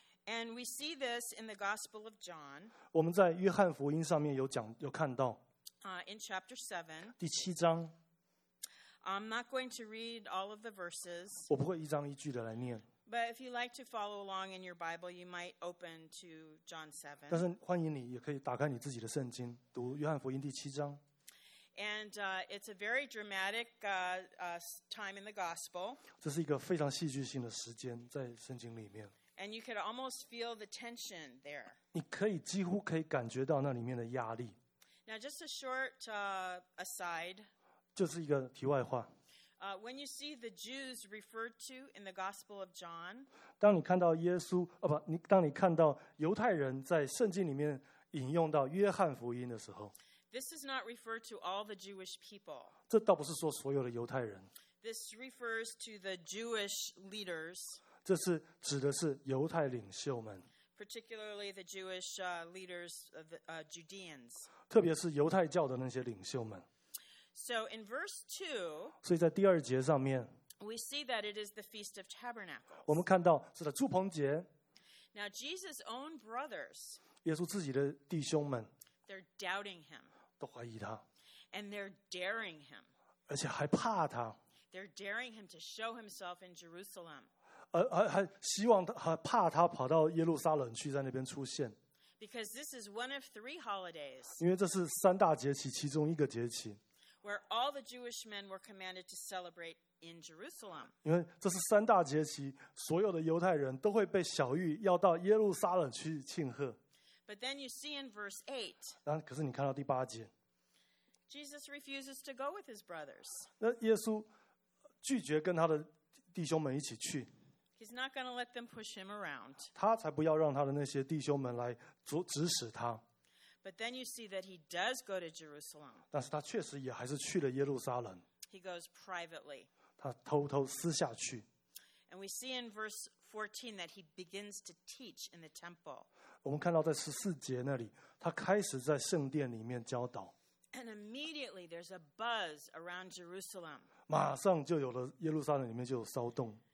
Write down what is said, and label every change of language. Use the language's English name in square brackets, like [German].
[English] And we see this in the Gospel of John. [Chinese] 我们在约翰福音上面有看到。 [English] In chapter 7. [Chinese] 第七章。 [English] I'm not going to read all of the verses. [Chinese] 我不会一章一句的来念。 [English] But if you like to follow along in your Bible, you might open to John 7. [Chinese] 但是欢迎你也可以打开你自己的圣经，读约翰福音第七章。 [English] And it's a very dramatic time in the gospel. [Chinese] 这是一个非常戏剧性的时间在圣经里面。 [English] And you could almost feel the tension there. [Chinese] 你可以几乎可以感觉到那里面的压力。 [English] Now, just a short aside. [Chinese] 就是一个题外话。 [English] When you see the Jews referred to in the Gospel of John, [Chinese] 当你看到耶稣，哦不，你当你看到犹太人在圣经里面引用到约翰福音的时候， [English] this is not referred to all the Jewish people. [Chinese] 这倒不是说所有的犹太人。 [English] This refers to the Jewish leaders. [Chinese] 这是指的是犹太领袖们。 [English] Particularly the Jewish leaders of the Judeans. [Chinese] 特别是犹太教的那些领袖们。 [English] So in verse 2, [Chinese] 所以在第二节上面, [English] we see that it is the Feast of Tabernacles. [Chinese] 我们看到是的祝棚节。 [English] Now Jesus' own brothers, [Chinese] 耶稣自己的弟兄们, [English] they're doubting him. [Chinese] 都怀疑他。 [English] And they're daring him. [Chinese] 而且还怕他。 [English] They're daring him to show himself in Jerusalem. [Chinese] 还希望他，还怕他跑到耶路撒冷去在那边出现。 [English] Because this is one of three holidays. [Chinese] 因为这是三大节期其中一个节期。 [English] Where all the Jewish men were commanded to celebrate in Jerusalem. [Chinese] 因为这是三大节期，所有的犹太人都会被晓谕要到耶路撒冷去庆贺。 [English] But then you see in verse 8. [Chinese] 然后可是你看到第八节。 [English] Jesus refuses to go with his brothers. [Chinese] 那耶稣拒绝跟他的弟兄们一起去。 [English] He's not going to let them push him around. [Chinese] 他才不要让他的那些弟兄们来指使他。 [English] But then you see that he does go to Jerusalem. [Chinese] 但是他确实也还是去了耶路撒冷。 [English] He goes privately. [Chinese] 他偷偷私下去。 [English] And we see in verse 14 that he begins to teach in the temple. [Chinese] 我们看到在14节那里，他开始在圣殿里面教导。 [English] And immediately there's a buzz around Jerusalem. [Chinese] 马上就有了耶路撒冷里面就有骚动。